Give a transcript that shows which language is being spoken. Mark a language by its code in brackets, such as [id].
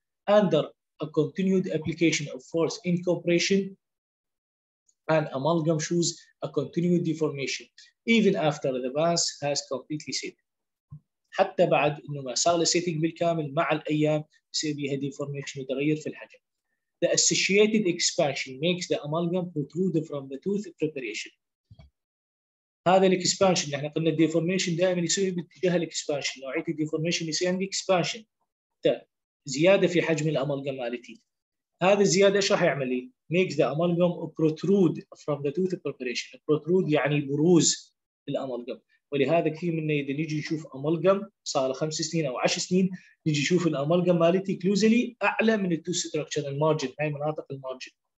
[en] Under a continued application of force in compression and amalgam shows a continued deformation even after the mass has completely set. [ar] حتى بعد انه ما صار السيتنج بالكامل مع الايام يصير فيها deformation وتغير في الحجم. [en] The associated expansion makes the amalgam protrude from the tooth preparation. [ar] هذا الاكسبانشن احنا قلنا الديفورميشن دائما يصير باتجاه الاكسبانشن، نوعيه الديفورميشن يصير عندي اكسبانشن زياده في حجم الامالجم مالتي. هذا الزياده ايش راح يعمل لي؟ [en] Mix the amalgam protruded from the tooth preparation. [ar] بروترود يعني بروز الامالجم، ولهذا كثير منا اذا نجي نشوف امالجم صار له 5 سنين او 10 سنين نجي نشوف الامالجم مالتي كلوزلي اعلى من التوث ستراكشر المارجن، هاي مناطق المارجن.